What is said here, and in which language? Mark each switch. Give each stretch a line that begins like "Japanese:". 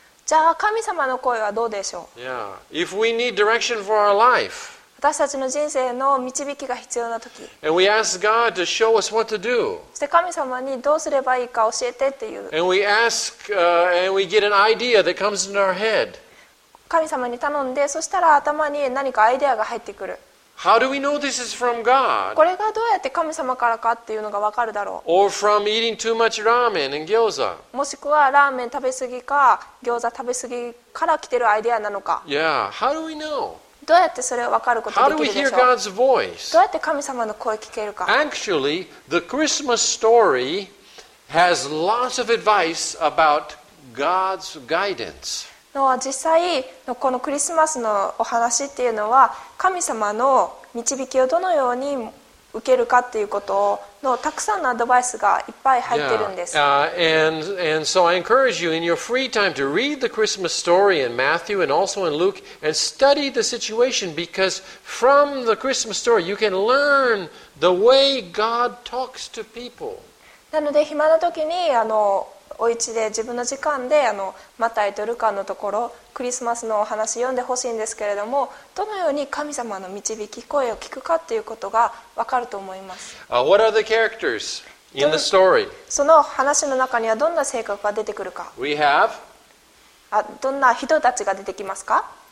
Japanese: じゃあ神様の声はどうでしょう。
English: Yeah. If we need direction for our life,
Japanese: 私たちの人生の導きが必要な時、
English: and we ask God to show us what to do,
Japanese: そして神様にどうすればいいか教えてっていう、
English: and we ask, and we get an idea that comes in our head,
Japanese: 神様に頼んで、そしたら頭に何かアイデアが入ってくる。
English: How do we know this is from God?
Japanese: これがどうやって神様からかっていうのが分かるだろう。
English: Or from eating too much ramen and gyoza.
Japanese: もしくはラーメン食べ過ぎか餃子食べ過ぎから来てるアイデアなのか。
English: Yeah. How do we know?
Japanese: どうやってそれを分かることができるでしょう。
English: How do we hear God's voice?
Japanese: どうやって神様の声聞けるか。
English: Actually, the Christmas story has lots of advice about God's guidance.
Japanese: 実際このクリスマスのお話っていうのは神様の導きをどのように受けるかっていうことのたくさんのアドバイスがいっぱい入ってるんです。
English: Yeah. And so I encourage you in your free time to read the Christmas story in Matthew and also in Luke and study the situation because from the Christmas story you can learn the way God talks to people.
Japanese: なので暇な時にお家で自分の時間でマタイとルカのところクリスマスのお話読んでほしいんですけれどもどのように神様の導き声を聞くかということが分かると思います。
English: What are the characters in the story?
Japanese: その話の中にはどんな性格が出てくるか。
English: We have
Japanese: どんな人たちが出てきますか。